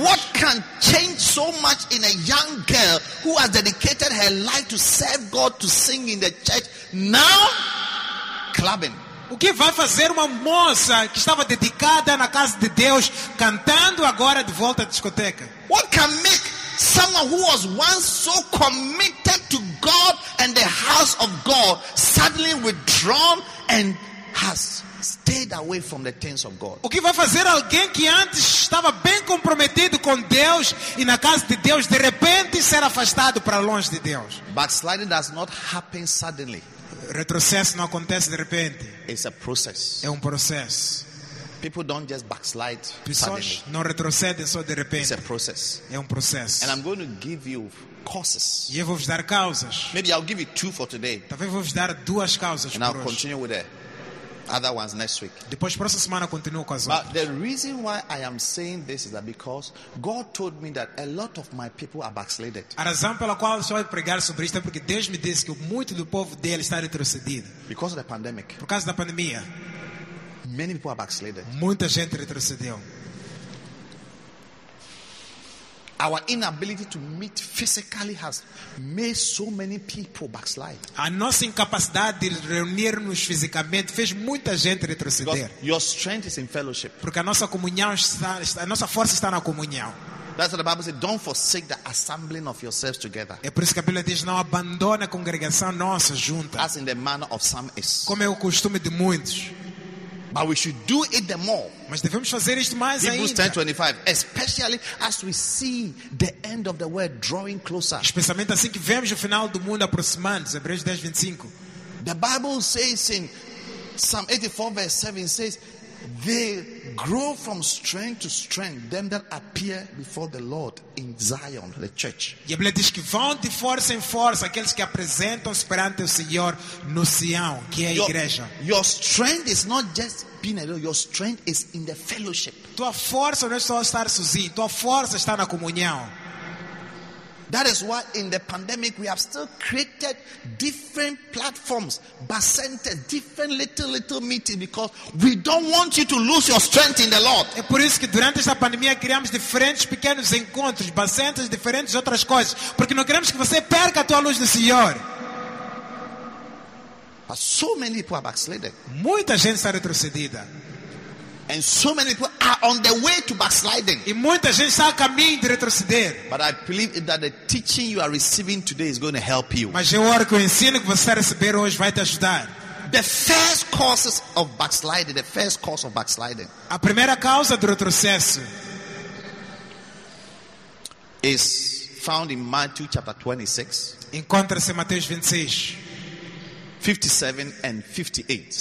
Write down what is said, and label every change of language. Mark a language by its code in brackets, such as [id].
[en] What can change so much in a young girl who has dedicated her life to serve God, to sing in the church, now clubbing? [pt] O que vai fazer uma moça que estava dedicada na casa de Deus cantando agora de volta à discoteca? [en] What can make someone who was once so committed to God and the house of God suddenly withdrawn and has stayed away from the things of God? [pt] O que vai fazer alguém que antes estava bem comprometido com Deus e na casa de Deus de repente ser afastado para longe de Deus? [en] Backsliding does not happen suddenly. [pt] Retrocesso não acontece de repente. [en] It's a process. [pt] É processo. [en] People don't just backslide [pt] pessoas [en] suddenly. [pt] Não retrocedem só de repente. [en] It's a process. [pt] É processo. [en] And I'm going to give you causes. [pt] E eu vou-vos dar causas. [en] Maybe I'll give you two for today. [pt] Talvez vou-vos dar duas causas [en] and [pt] por [en] I'll [pt] hoje. [en] Continue with it. other ones next week. [pt] Depois, próxima semana, continuo com as [en] outras. But the reason why I am saying this is that because God told me that a lot of my people are backslided. [pt] A razão pela qual só vou pregar sobre isto é porque Deus me disse que muito do povo dele está retrocedido. [en] Because of the pandemic. [pt] Por causa da pandemia. [en] Many people are backslided. [pt] Muita gente retrocedeu. [en] Our inability to meet physically has made so many people backslide. [pt] A nossa incapacidade de reunir-nos fisicamente fez muita gente retroceder. [en] Because your strength is in fellowship. [pt] Porque a nossa comunhão está, a nossa força está na comunhão. [en] That's what the Bible says, don't forsake the assembling of yourselves together. [pt] É por isso que a Bíblia diz, não abandone a congregação nossa junta. [en] As in the manner of some is. [pt] Como é o costume de muitos. [en] But we should do it the more. [pt] Mas devemos fazer isto mais [en] Hebrews [pt] ainda. [en] 10:25, especially as we see the end of the world drawing closer. [pt] Especialmente assim que vemos o final do mundo aproximando, Hebreus 10:25. [en] The Bible says in Psalm 84 verse 7 says, they grow from strength to strength, them that appear before the Lord in Zion, the church. [pt] E a Bíblia diz que vão de força em força aqueles que apresentam-se perante o Senhor no Sião, que é a igreja. [en] Your strength is not just being alone, your strength is in the fellowship. [pt] Tua força não é só estar sozinho, tua força está na comunhão. [en] That is why in the pandemic we have still created different platforms, but centers, different little meetings, because we don't want you to lose your strength in the Lord. [pt] É por isso que durante esta pandemia criamos diferentes pequenos encontros, bacentes, diferentes outras coisas, porque não queremos que você perca a tua luz no Senhor. [en] But so many people are backslidden. [pt] Muita gente está retrocedida. [en] And so many people are on the way to backsliding. [pt] E muita gente está a caminho de retroceder. [en] But I believe that the teaching you are receiving today is going to help you. [pt] Mas eu oro que o ensino que você receber hoje vai te ajudar. [en] The first causes of backsliding, the first cause of backsliding. [pt] A primeira causa do retrocesso [en] is found in Matthew chapter 26. [pt] Encontra-se em Mateus 26. [en] 57 and 58.